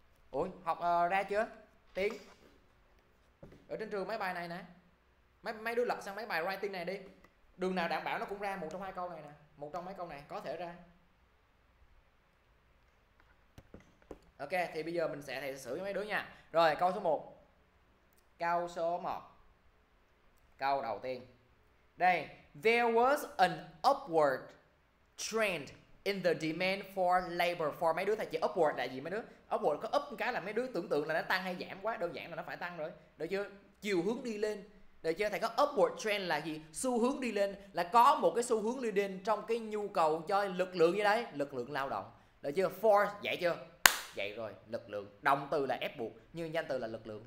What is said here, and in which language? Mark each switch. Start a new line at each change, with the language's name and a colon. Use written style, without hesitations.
Vietnamese: Ủa học ra chưa tiếng ở trên trường mấy bài này nè, mấy mấy đứa lật sang mấy bài writing này đi, đường nào đảm bảo nó cũng ra một trong hai câu này nè, một trong mấy câu này có thể ra. Ok thì bây giờ mình sẽ thầy sửa cho mấy đứa nha. Rồi câu số 1, câu số 1 câu đầu tiên đây,
English: There was an upward trend in the demand for labor.
Vietnamese: For mấy đứa thầy chỉ upward là gì mấy đứa? Upward có up cái là mấy đứa tưởng tượng là nó tăng hay giảm quá. Đơn giản là nó phải tăng rồi. Được chưa? Chiều hướng đi lên. Được chưa? Thầy có upward trend là gì? Xu hướng đi lên là có một cái xu hướng đi lên trong cái nhu cầu cho lực lượng như đấy. Lực lượng lao động. Được chưa? For, dạy chưa? Dạy rồi. Lực lượng. Động từ là ép buộc. Như danh từ là lực lượng.